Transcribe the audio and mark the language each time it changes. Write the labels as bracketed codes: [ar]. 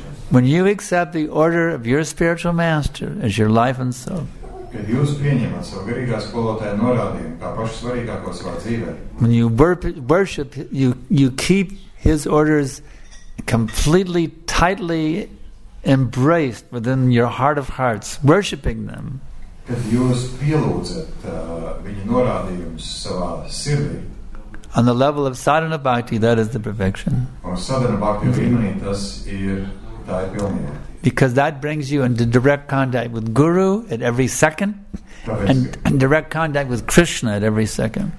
[en] When you accept the order of your spiritual master as your life and soul, when you worship, you keep his orders completely, tightly embraced within your heart of hearts, worshipping them. [lv] Kad jūs pielūdzat viņa norādījumus savā sirdī. [en] On the level of sadhana bhakti, that is the perfection. [lv] Un sadhana bhakti līmenī, tas ir tā ir pilnība. [en] Because that brings you into direct contact with Guru at every second and direct contact with Krishna at every second.